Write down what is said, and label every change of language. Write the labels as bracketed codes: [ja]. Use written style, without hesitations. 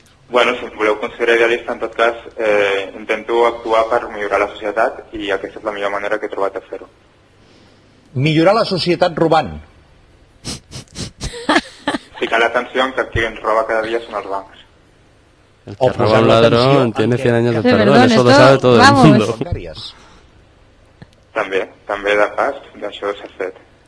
[ca] Bueno, si em voleu considerar idealista, en tot cas, intento actuar per millorar la societat i aquesta és la millor manera que he trobat de fer-ho. Millorar la societat robant? Ficar l'atenció en que qui ens roba cada dia són els bancs. [es] El que roba un ladrón tiene 100 años de perdón, eso lo sabe todo el mundo. [ca] També, de pas, d'això s'ha fet.